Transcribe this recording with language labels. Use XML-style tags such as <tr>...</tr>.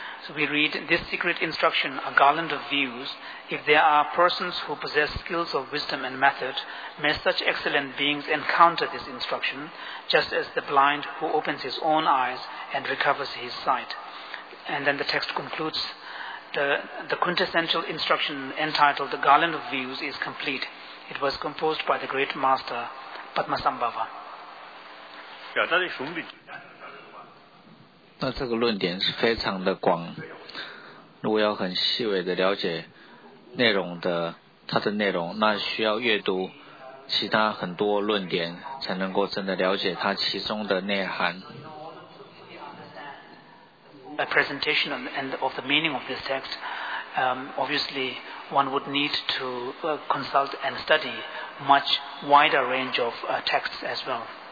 <en>So we read, this secret instruction, a garland of views, if there are persons who possess skills of wisdom and method, may such excellent beings encounter this instruction, just as the blind who opens his own eyes and recovers his sight. And then the text concludes, the quintessential instruction entitled The Garland of Views is complete. It was composed by the great master Padmasambhava.</en> <zh>那这个论点是非常的广，如果要很细微的了解内容的它的内容，那需要阅读其他很多论点才能够真的了解它其中的内涵。</zh> <en>A presentation of the meaning of this text, obviously one would need to consult and study much wider range of texts as well.</en>